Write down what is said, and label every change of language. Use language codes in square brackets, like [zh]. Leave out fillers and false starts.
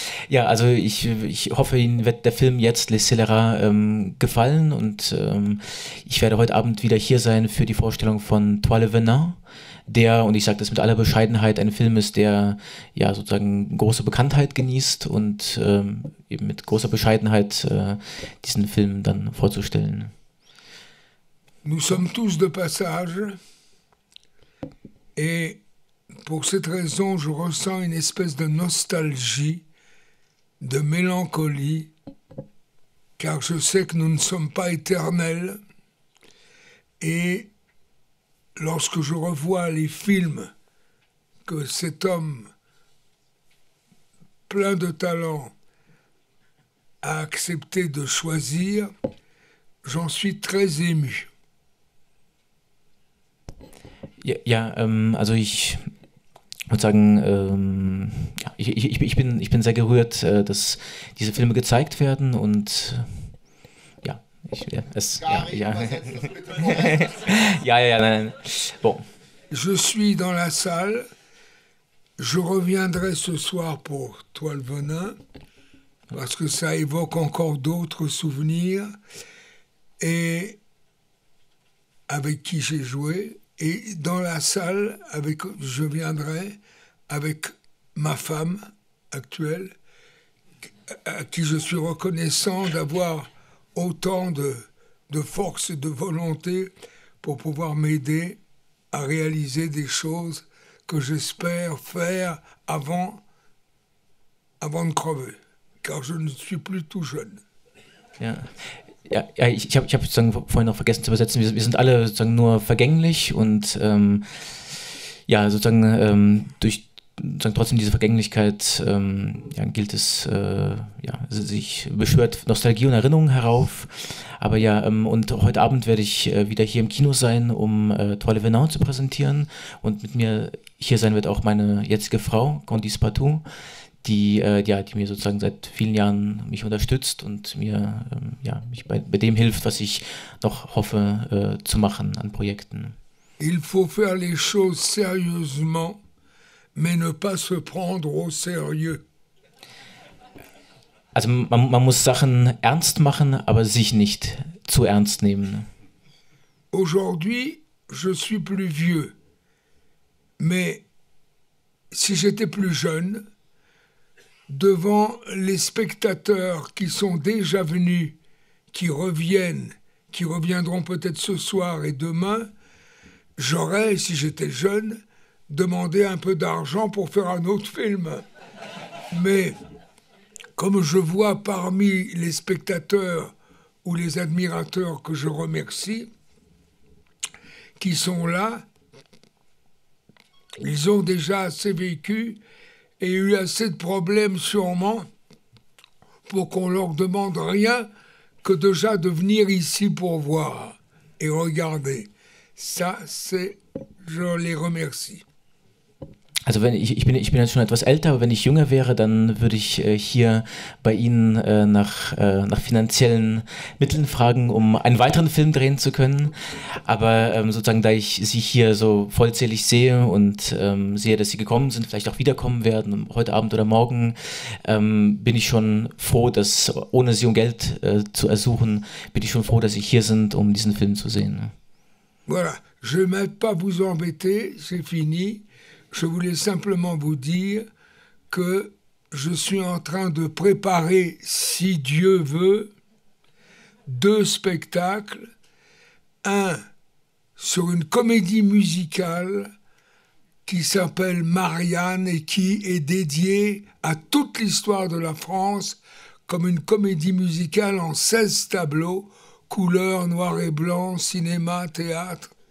[de] Ja, also ich hoffe, Ihnen wird der Film jetzt, Les Scélérats, gefallen und ich werde heute Abend wieder hier sein für die Vorstellung von Toi, le venin, der, und ich sage das mit aller Bescheidenheit, ein Film ist, der ja sozusagen große Bekanntheit genießt und eben mit großer Bescheidenheit diesen Film dann vorzustellen. [fr] Nous sommes tous de passage et pour cette raison, je ressens une espèce de nostalgie, de mélancolie, car je sais que nous ne sommes pas éternels. Et lorsque je revois les films que cet homme plein de talent a accepté de choisir, j'en suis très ému. [de] Ja, also ich würde sagen, ich bin sehr gerührt, dass diese Filme gezeigt werden und ja, ich ja, es ja. Ja, ja, ja, nein. Bon. [fr] Je suis dans la salle. Je reviendrai ce soir pour Toi, le venin, parce que ça évoque encore d'autres souvenirs et avec qui j'ai joué. Et dans la salle, je viendrai avec ma femme actuelle, à qui je suis reconnaissant d'avoir autant de force et de volonté pour pouvoir m'aider à réaliser des choses que j'espère faire avant de crever, car je ne suis plus tout jeune. [de] Ja. Ja, ich hab sozusagen vorhin noch vergessen zu übersetzen, wir sind alle sozusagen nur vergänglich und ja, sozusagen durch sozusagen trotzdem diese Vergänglichkeit ja, gilt es, ja, sich beschwört Nostalgie und Erinnerungen herauf. Aber ja, und heute Abend werde ich wieder hier im Kino sein, um Toile Venant zu präsentieren. Und mit mir hier sein wird auch meine jetzige Frau, Candice Patou, die ja, die mir sozusagen seit vielen Jahren mich unterstützt und mir ja, mich bei dem hilft, was ich noch hoffe zu machen an Projekten. [fr] Il faut faire les choses sérieusement, mais ne pas se prendre au sérieux. [de] Also man muss Sachen ernst machen, aber sich nicht zu ernst nehmen. [fr] Aujourd'hui, je suis plus vieux, mais si j'étais plus jeune, devant les spectateurs qui sont déjà venus, qui reviennent, qui reviendront peut-être ce soir et demain, j'aurais, si j'étais jeune, demandé un peu d'argent pour faire un autre film. Mais comme je vois parmi les spectateurs ou les admirateurs que je remercie, qui sont là, ils ont déjà assez vécu, et il y a assez de problèmes sûrement pour qu'on leur demande rien que déjà de venir ici pour voir et regarder. Ça, c'est, je les remercie. [de] Also wenn ich bin jetzt schon etwas älter, aber wenn ich jünger wäre, dann würde ich hier bei Ihnen nach finanziellen Mitteln fragen, um einen weiteren Film drehen zu können. Aber sozusagen, da ich Sie hier so vollzählig sehe und sehe, dass Sie gekommen sind, vielleicht auch wiederkommen werden, heute Abend oder morgen, bin ich schon froh, dass, ohne Sie um Geld zu ersuchen, bin ich schon froh, dass Sie hier sind, um diesen Film zu sehen. [fr] Voilà, je ne vais pas vous embêter, c'est fini. Je voulais simplement vous dire que je suis en train de préparer, si Dieu veut, deux spectacles. Un sur une comédie musicale qui s'appelle Marianne et qui est dédiée à toute l'histoire de la France comme une comédie musicale en 16 tableaux, couleur, noir et blanc, cinéma, théâtre.